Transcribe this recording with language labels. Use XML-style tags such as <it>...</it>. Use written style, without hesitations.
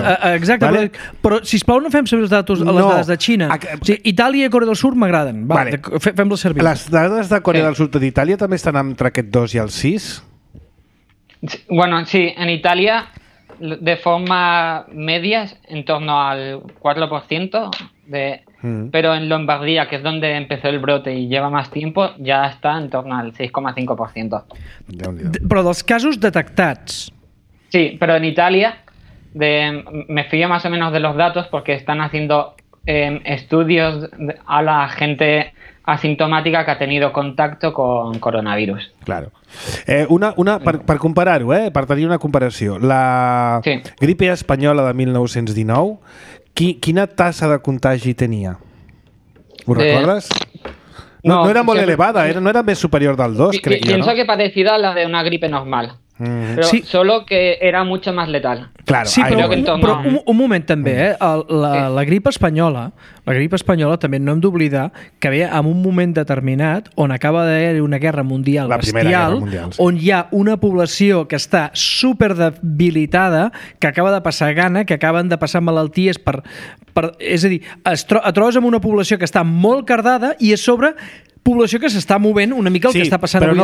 <ca>No, exacte, vale? Però sisplau no fem servir les dades de Xina. Itàlia i Corea del Sud m'agraden. Fem-les servir. Les dades de Corea del Sud i d'Itàlia també estan entre aquest 2 i el 6?</ca> <es>Bueno, sí, en Itàlia de forma media en torno al 4% de... Pero en Lombardía, que es donde empezó el brote y lleva más tiempo, ya está en torno al 6,5%. Pero los casos detectados. Sí, pero en Italia me fío más o menos de los datos porque están haciendo estudios a la gente asintomàtica que ha tenido contacto con coronavirus. Claro.</es> <ca>Per comparar-ho, per tenir una comparació, la gripe espanyola de 1919, quina tassa de contagi tenia? Ho recordes? No era molt elevada, no era més superior del 2, crec jo.</ca> <es>Pienso que parecida a la de una gripe normal. Però solo que era mucho más letal. Claro,</es> <ca>sí, però un moment també, la grip espanyola, també no hem d'oblidar que ve en un moment determinat on acaba d'haver una guerra mundial bestial, on hi ha una població que està super debilitada, que acaba de passar gana, que acaben de passar malalties és a dir, et trobes amb una població que està molt cardada i a sobre població que s'està movent una mica el que està passant avui</ca>